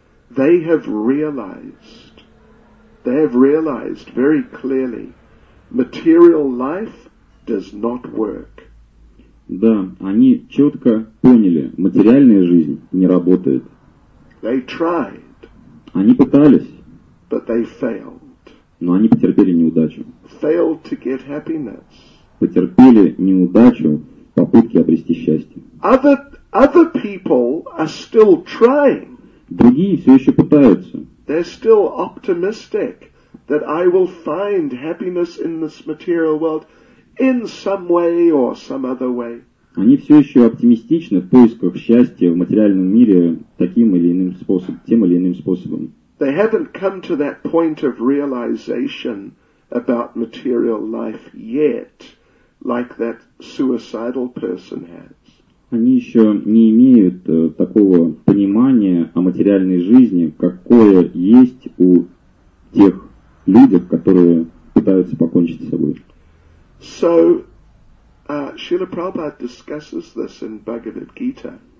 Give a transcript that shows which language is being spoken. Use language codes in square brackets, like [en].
[en] They have realized very clearly material life does not work. [ru] Да, они четко поняли, материальная жизнь не работает. [en] They tried. [ru] Они пытались. [en] But they failed. [ru] Но они потерпели неудачу. [en] Failed to get happiness. [ru] Потерпели неудачу в попытке обрести счастье. [en] Other people are still trying. [ru] Другие все еще пытаются. [en] They're still optimistic that I will find happiness in this material world in some way or some other way. [ru] Они все еще оптимистичны в поисках счастья в материальном мире таким или иным способом, тем или иным способом. [en] They haven't come to that point of realization about material life yet, like that suicidal person has. [ru] Они еще не имеют такого понимания о материальной жизни, какое есть у тех людей, которые пытаются покончить с собой. [en] So, Srila Prabhupada discusses this in Bhagavad Gita.